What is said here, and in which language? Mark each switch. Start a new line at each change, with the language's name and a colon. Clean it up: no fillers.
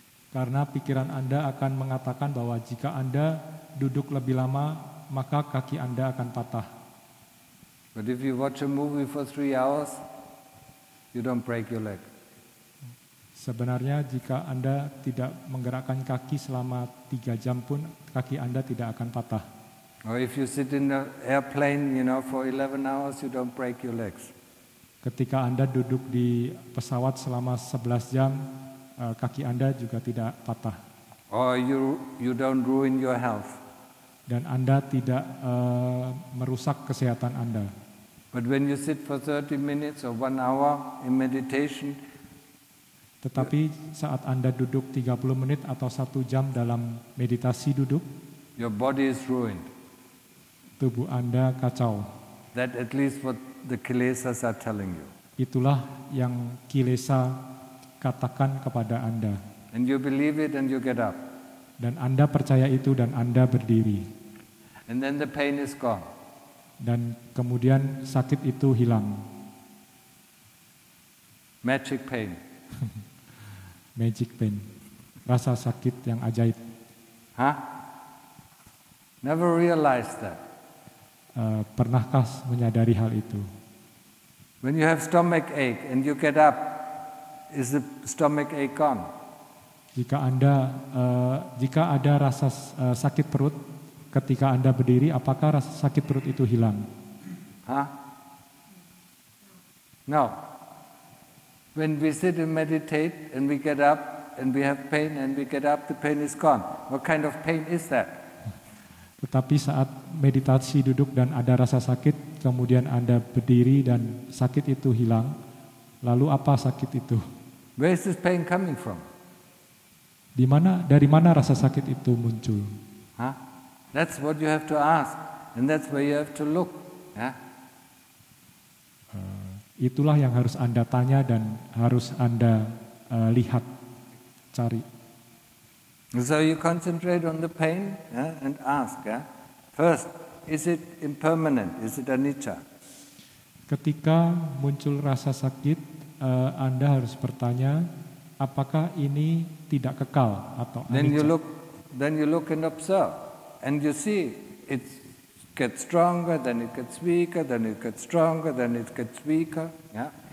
Indonesian: Karena pikiran Anda akan mengatakan bahwa jika Anda duduk lebih lama, maka kaki Anda akan patah.
English: But if you watch a movie for 3 hours, you don't break your leg.
Indonesian: Sebenarnya jika Anda tidak menggerakkan kaki selama 3 jam pun, kaki Anda tidak akan patah.
English: Or if you sit in the airplane, you know, for 11 hours, you don't break your legs.
Indonesian: Ketika Anda duduk di pesawat selama 11 jam, kaki Anda juga tidak patah.
English: Or you don't ruin your health.
Indonesian: Dan Anda tidak merusak kesehatan Anda.
English: But when you sit for 30 minutes or 1 hour in meditation,
Indonesian: tetapi saat Anda duduk 30 menit atau 1 jam dalam meditasi duduk,
English: your body is ruined.
Indonesian: Tubuh Anda kacau.
English: That at least what the kilesas are telling you.
Indonesian: Itulah yang kilesa katakan kepada Anda.
English: And you believe it and you get up.
Indonesian: Dan Anda percaya itu dan Anda berdiri.
English: And then the pain is gone.
Indonesian: Dan kemudian sakit itu hilang.
English: Magic pain. Magic pain.
Indonesian: Rasa sakit yang ajaib.
English: Hah? Never realized that.
Indonesian: Pernahkah menyadari hal itu?
English: When you have stomach ache and you get up, is the stomach ache gone?
Indonesian: Jika Anda jika ada rasa sakit perut ketika Anda berdiri, apakah rasa sakit perut itu hilang? Hah?
English: No. When we sit and meditate and we get up and we have pain and we get up, the pain is gone. What kind of pain is that?
Indonesian: Tetapi saat meditasi duduk dan ada rasa sakit, kemudian Anda berdiri dan sakit itu hilang, lalu apa sakit itu?
English: Where is this pain coming from?
Indonesian: Di mana, dari mana rasa sakit itu muncul? Huh?
English: That's what you have to ask, and that's where you have to look. Yeah?
Indonesian: Itulah yang harus Anda tanya dan harus Anda lihat, cari.
English: So you concentrate on the pain, yeah, and ask, yeah? First, is it impermanent? Is it anicca?
Indonesian: Ketika muncul rasa sakit, Anda harus bertanya, apakah ini tidak kekal atau anicca?
English: Then you look and observe, and you see it gets stronger, then it gets weaker, then it gets stronger, then it gets weaker, yeah?